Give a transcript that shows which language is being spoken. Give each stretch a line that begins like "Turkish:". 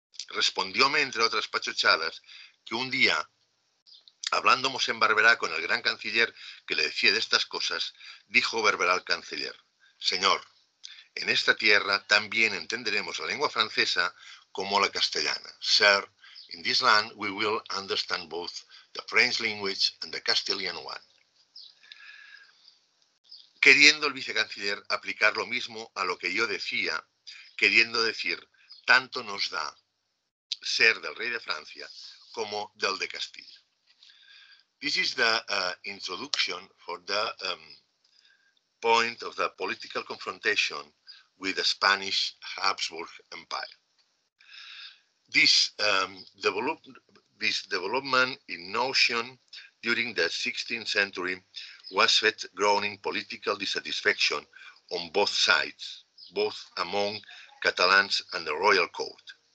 Spanish: Respondióme, entre otras pachochadas, que un día, hablándomos en Barberá con el gran canciller que le decía de estas cosas, dijo Barberá al canciller, «Señor, en esta tierra también entenderemos la lengua francesa como la castellana.
English: Sir, in this land we will understand both the French language and the Castilian one».
Spanish: Queriendo el vicecanciller aplicar lo mismo a lo que yo decía, queriendo decir, «Tanto nos da ser del rey de Francia como del de Castilla».
English: This is the introduction for the point of the political confrontation with the Spanish Habsburg Empire. This development in notion during the 16th century was set growing political dissatisfaction on both sides, both among Catalans and the royal court.